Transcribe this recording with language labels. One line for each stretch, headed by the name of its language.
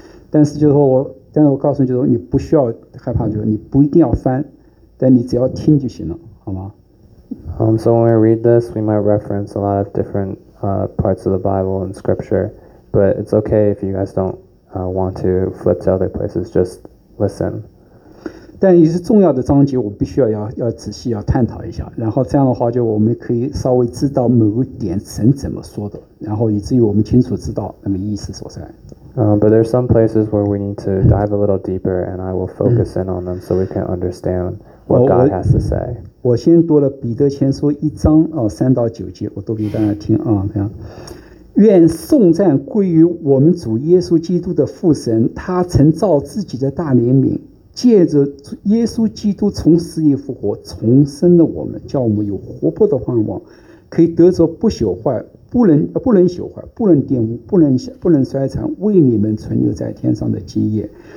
Chinese: 但是我告诉你，就是你不需要害怕，就是你不一定要翻，但你只要听就行了，好吗？
English: So when we read this, we might reference a lot of different parts of the Bible and scripture, but it's okay if you guys don't want to flip to other places, just listen.
Chinese: 但也是重要的章节，我必须要仔细要探讨一下，然后这样的话就我们可以稍微知道某个点神怎么说的，然后以至于我们清楚知道那个意思所在。
English: But there are some places where we need to dive a little deeper, and I will focus in on them so we can understand what God has to say.
Chinese: 我先读了彼得前书一章三到九节，我读给大家听啊。愿颂赞归于我们主耶稣基督的父神，他曾照自己的大怜悯，借着耶稣基督从死里复活，重生了我们，叫我们有活泼的盼望，可以得着不朽坏，不能朽坏，不能玷污，不能衰残，为你们存留在天上的基业。